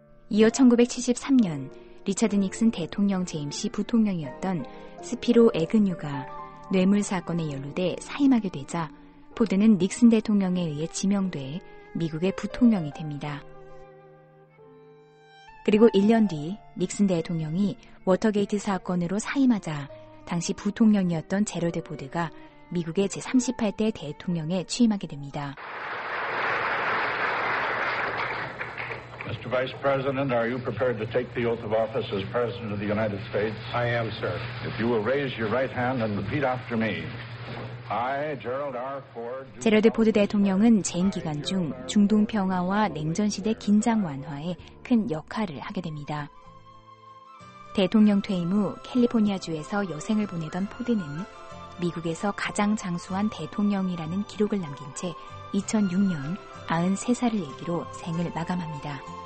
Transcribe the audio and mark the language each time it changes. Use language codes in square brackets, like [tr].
[ko] 이어 1973년 리처드 닉슨 대통령 재임 시 부통령이었던 스피로 에그뉴가 뇌물사건에 연루돼 사임하게 되자 포드는 닉슨 대통령에 의해 지명돼 미국의 부통령이 됩니다. 그리고 1년 뒤 닉슨 대통령이 워터게이트 사건으로 사임하자 당시 부통령이었던 제럴드 보드가 미국의 제38대 대통령에 취임하게 됩니다. [en] Mr. Vice President, are you prepared to take the oath of office as President of the United States? I am, sir. If you will raise your right hand and repeat after me. [ko] 제럴드 포드 대통령은 재임 기간 중 중동 평화와 냉전 시대 긴장 완화에 큰 역할을 하게 됩니다. 대통령 퇴임 후 캘리포니아주에서 여생을 보내던 포드는 미국에서 가장 장수한 대통령이라는 기록을 남긴 채 2006년 93살을 일기로 생을 마감합니다.